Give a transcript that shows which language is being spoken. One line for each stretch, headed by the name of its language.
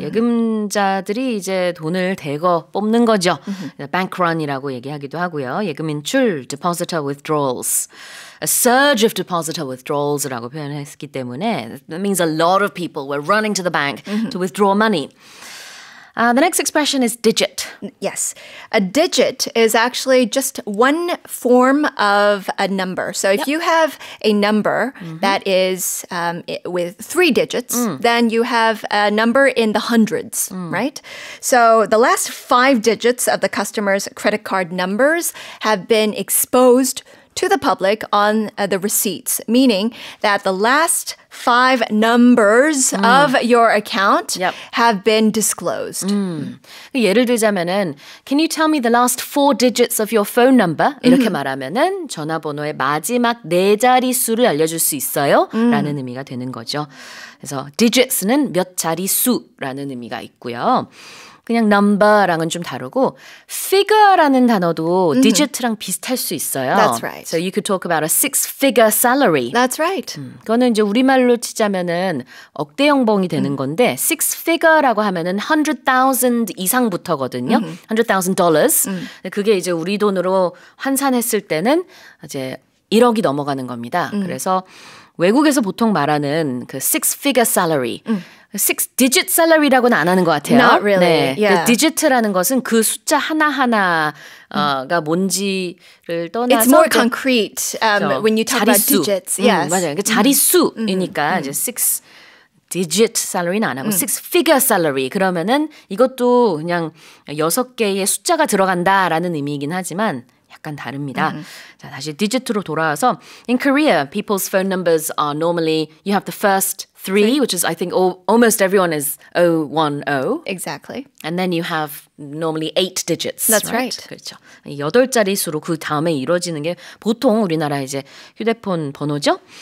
Korean: 예금자들이 이제 돈을 대거 뽑는 거죠. Mm-hmm. Bank run이라고 얘기하기도 하고요. 예금 인출,
English: depositor withdrawals. A surge of depositor withdrawals
Korean: 라고 표현했기 때문에
English: that means a lot of people were running to the bank mm-hmm. to withdraw money. The next expression is digit. Yes. A digit is actually just one form of a number. So if yep. you have a number mm-hmm. that is with three digits, mm. then you have a number in the hundreds, mm. right? So the last five digits of the customer's credit card numbers have been exposed to the public on the receipts, meaning that the last five numbers mm. of your account yep. have been disclosed. Mm.
Korean: 예를 들자면은,
English: can you tell me the last four digits of your phone number?
Korean: 이렇게 mm. 말하면은 전화번호의 마지막 네 자리 수를 알려줄 수 있어요? 라는 mm. 의미가 되는 거죠. 그래서 digits는 몇 자리 수라는 의미가 있고요. 그냥 number랑은 좀 다르고 figure라는 단어도 mm-hmm. digit랑 비슷할 수 있어요.
English: That's right. So you could talk about a six-figure salary. That's right.
Korean: 그거는 이제 우리말로 치자면은 억대 영봉이 되는 mm-hmm. 건데 six-figure라고 하면은 100,000 이상부터거든요. Mm-hmm. $100,000. Mm-hmm. 그게 이제 우리 돈으로 환산했을 때는 이제 1억이 넘어가는 겁니다. Mm-hmm. 그래서 외국에서 보통 말하는 그 six-figure salary. Mm-hmm. Six-digit salary라고는 안 하는 것 같아요.
English: Not really.
Korean: 네.
English: Yeah.
Korean: Digit라는 것은 그 숫자 하나하나가 뭔지를 떠나서
English: It's more concrete when you talk
Korean: 자리수.
English: About digits. Yes.
Korean: 맞아요. 그 자리수이니까 이제 six-digit salary는 안 하고 six-figure salary. 그러면은 이것도 그냥 여섯 개의 숫자가 들어간다라는 의미이긴 하지만 약간 다릅니다. 자, 다시 digit로 돌아와서
English: In Korea, people's phone numbers are normally you have the first three, which is, I think, almost everyone is 010. Exactly. And then you have normally eight digits. That's right.
Korean: 그렇죠. 여덟 자리 수로 그 다음에 이루어지는 게 보통 우리나라 이제 휴대폰 번호죠.